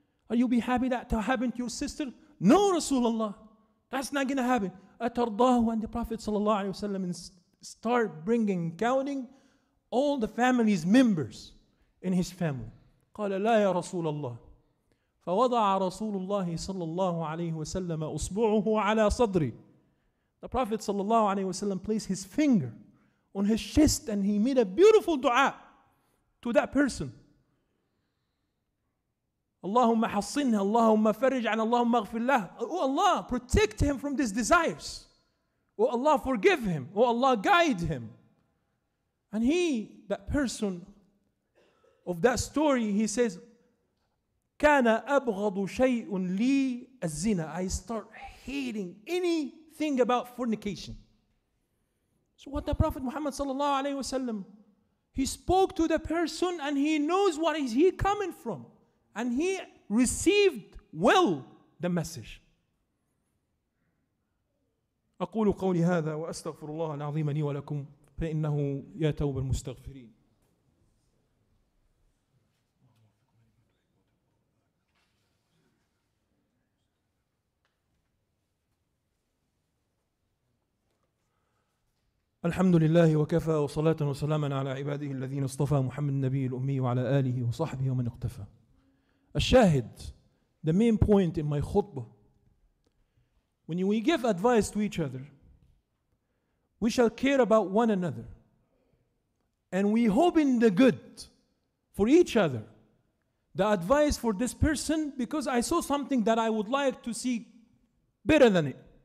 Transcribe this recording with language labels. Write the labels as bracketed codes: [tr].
[en] Are you be happy that to happen to your sister? No, Rasulullah. That's not gonna happen. [ar] أَتَرْضَاهُ? [en] And the Prophet sallallahu alayhi wa sallam start bringing, counting all the family's members in his family. [ar] قال لا يا رسول الله فوضع رسول الله صلى الله عليه وسلم أصبعه على صدري. [en] The Prophet [ar] صلى الله عليه وسلم [en] placed his finger on his chest and he made a beautiful dua to that person. [ar] اللهم حصنه اللهم فرج عن اللهم اغفر له. [en] Oh Allah, protect him from these desires. Oh Allah, forgive him. Oh Allah, guide him. And he, that person of that story, he says, [ar] كَانَ أَبْغَضُ شَيْءٌ لِي الزِّنَا. [en] I start hating anything about fornication. So what the Prophet Muhammad sallallahu alayhi wa sallam, he spoke to the person and he knows what is he coming from. And he received well the message. [ar] أقول قولي هذا وأستغفر الله العظيم لي ولكم فإنه يا توب المستغفرين. الحمد لله وكفى وصلاة وسلاما على عباده الذين اصطفى محمد النبي الأمي وعلى آله وصحبه ومن اقتفى. [en] الشاهد, the main point in my khutbah, when we give advice to each other, we shall care about one another and we hope in the good for each other. The advice for this person, because I saw something that I would like to see better than it.